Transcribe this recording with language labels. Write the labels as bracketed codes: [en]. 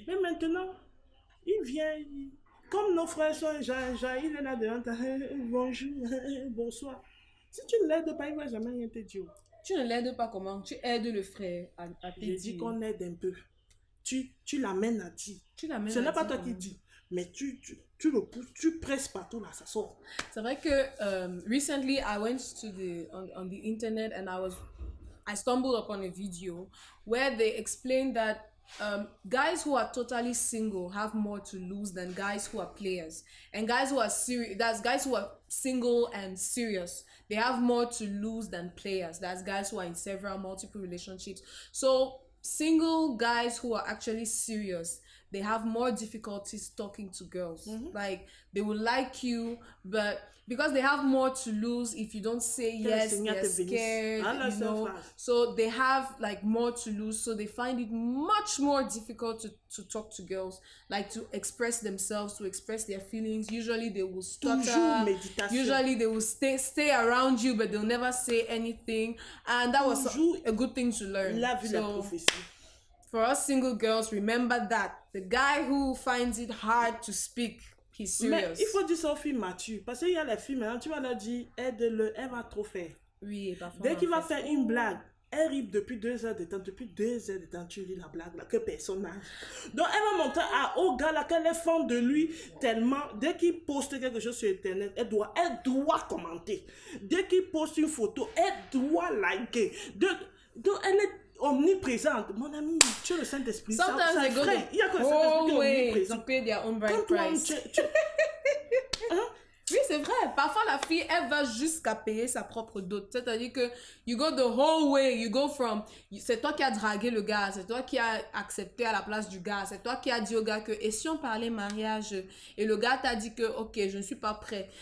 [fr] Mais maintenant, il vient, comme nos frères sont genre, il est là devant toi, bonjour, bonsoir. Si tu ne l'aides pas, il ne va jamais rien te dire. Tu ne l'aides pas comment? Tu aides le frère à te dire. J'ai dit qu'on aide un peu. Tu l'amènes à dire. Tu l'amènes ce à n'est dire pas toi qui dis. Mais tu le pousses, tu presses partout là, ça sort. C'est vrai que [en] recently I went to the on the internet and I stumbled upon a video where they explained that guys who are totally single have more to lose than guys who are players. And guys who are single and serious, they have more to lose than players. That's guys who are in several multiple relationships. So single guys who are actually serious, they have more difficulties talking to girls. Mm-hmm. Like they will like you, but because they have more to lose if you don't say yes, they're scared, you know. So they have like more to lose, so they find it much more difficult to talk to girls, like to express themselves, to express their feelings. Usually they will stutter. Usually they will stay around you, but they'll never say anything. And that was a good thing to learn. [fr] La vie, la prophétie. [en] for us single girls, remember that the guy who finds it hard to speak, he's serious. [fr] Mais il faut dire ça aux filles matures, parce qu'il y a les filles maintenant, tu vas leur dire, aide-le, elle va trop faire. Oui, parfois. Dès qu'il va faire une blague, elle rit depuis 2 heures de temps, tu ris la blague là, que personne n'a. Donc elle va montrer à au gars là qu'elle est fan de lui tellement, dès qu'il poste quelque chose sur internet, elle doit commenter. Dès qu'il poste une photo, elle doit liker. Donc elle est omniprésente. Mon ami, tu es le Saint-Esprit. [en] Sometimes they go the whole way to pay their own bride price. [fr] Oui, c'est vrai. Parfois, la fille, elle va jusqu'à payer sa propre dot. C'est-à-dire que [en] you go the whole way. You go from... [fr] C'est toi qui as dragué le gars. C'est toi qui as accepté à la place du gars. C'est toi qui as dit au gars que... Et si on parlait mariage? Et le gars t'a dit que, OK, je ne suis pas prêt.